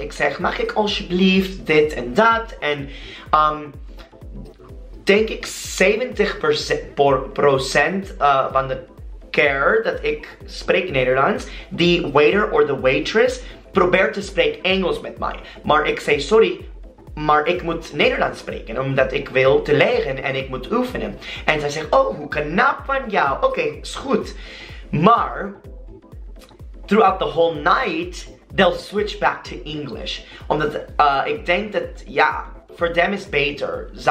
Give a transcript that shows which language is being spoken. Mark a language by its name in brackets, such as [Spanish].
[Dutch] Ik zeg, mag ik alsjeblieft dit en dat? En, denk ik 70% van de keer dat ik spreek Nederlands, [English] the waiter or the waitress [Dutch] probeert te spreken Engels met mij. Maar ik zeg, sorry, maar ik moet Nederlands spreken, omdat ik wil te leren en ik moet oefenen. En zij zegt, oh, hoe knap van jou. Oké, is goed. Maar, [English] throughout the whole night, they'll switch back to English. [Dutch] Omdat ik denk dat, ja, voor [English] them [Dutch] is beter.